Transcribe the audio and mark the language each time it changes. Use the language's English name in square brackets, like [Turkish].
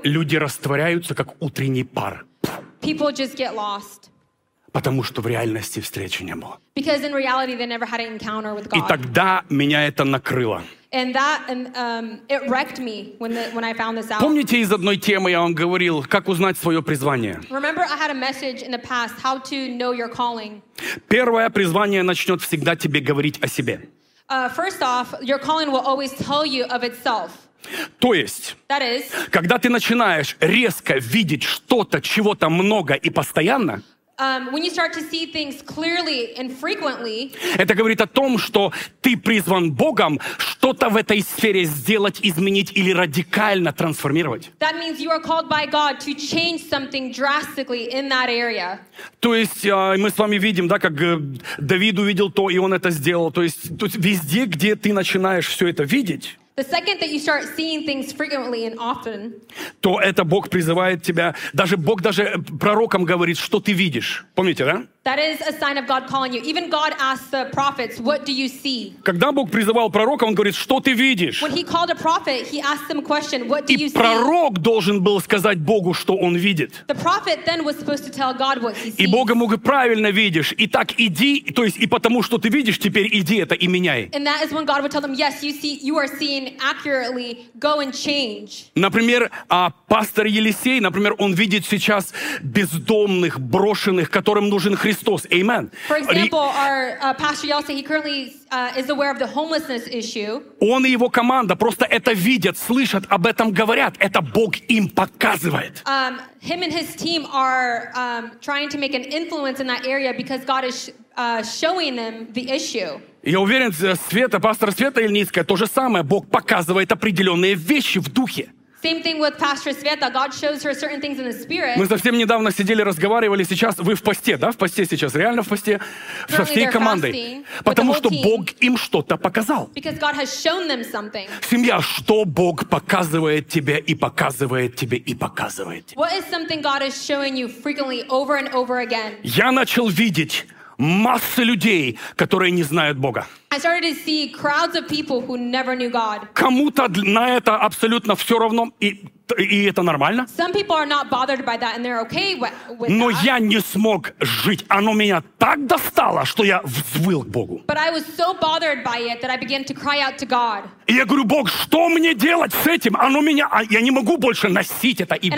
[Russian] Люди растворяются, как утренний пар. [English] People just get lost. [Russian] Потому что в реальности встречи не было. [English] Because in reality they never had an encounter with God. [Russian] И тогда меня это накрыло. [English] It wrecked me when I found this out. [Russian] Помните, из одной темы я вам говорил, как узнать свое призвание? [English] Remember, I had a message in the past, how to know your calling. [Russian] Первое призвание начнет всегда тебе говорить о себе. [English] First off, your calling will always tell you of itself. [Russian] То есть, [English] that is, [Russian] когда ты начинаешь резко видеть что-то, чего-то много и постоянно, [English] When you start to see things clearly and frequently, [Russian] это говорит о том, что ты призван Богом что-то в этой сфере сделать, изменить или радикально трансформировать. [English] That means you are called by God to change something drastically in that area. [Russian] То есть мы с вами видим, да, как Давид увидел то, и он это сделал. То есть тут везде, где ты начинаешь все это видеть. [English] The second that you start seeing things frequently and often, [Russian] то это Бог призывает тебя. Даже Бог даже пророкам говорит, что ты видишь. Помните, да? [English] That is a sign of God calling you. Even God asks the prophets, "What do you see?" [Russian] Когда Бог призывал пророка, он говорит, что ты видишь? [English] When He called a prophet, He asked them a question, "What do you see?" [Russian] И пророк должен был сказать Богу, что он видит. [English] The prophet then was supposed to tell God what he sees. [Russian] И Бог ему говорит, правильно видишь. И так иди, то есть и потому, что ты видишь, теперь иди это и меняй. [English] And that is when God would tell them, "Yes, you see, you are seeing accurately. Go and change." [Russian] Например, пастор Елисей, например, он видит сейчас бездомных, брошенных, которым нужен Христос. [English] Amen. For example, our pastor Yelsey, he currently is aware of the homelessness issue. [Russian] Он и его команда просто это видят, слышат, об этом говорят. Это Бог им показывает. [English] Him and his team are trying to make an influence in that area because God is showing them the issue. [Russian] Я уверен, Света, пастор Света Ильницкая, то же самое. Бог показывает определенные вещи в духе. [English] Same thing with Pastor Sveta. God shows her certain things in the spirit. [Russian] Мы совсем недавно сидели, разговаривали. Сейчас вы в посте, да? В посте сейчас, реально в посте. [English] Currently [Russian] со всей командой. Потому что Бог им что-то показал. [English] Because God has shown them something. [Russian] Семья, что Бог показывает тебе и показывает тебе и показывает тебе? [English] What is something God is showing you frequently over and over again? [Russian] Я начал видеть массы людей, которые не знают Бога. [English] I started to see crowds of people who never knew God. [Russian] Кому-то на это абсолютно все равно, и это нормально. [English] Some people are not bothered by that, and they're okay with that. [Russian] Но я не смог жить. Оно меня так достало, что я взвыл к Богу. [English] But I was so bothered by it that I began to cry out to God. [Russian] И я говорю, Бог, что мне делать с этим? Оно меня, я не могу больше носить это и видеть.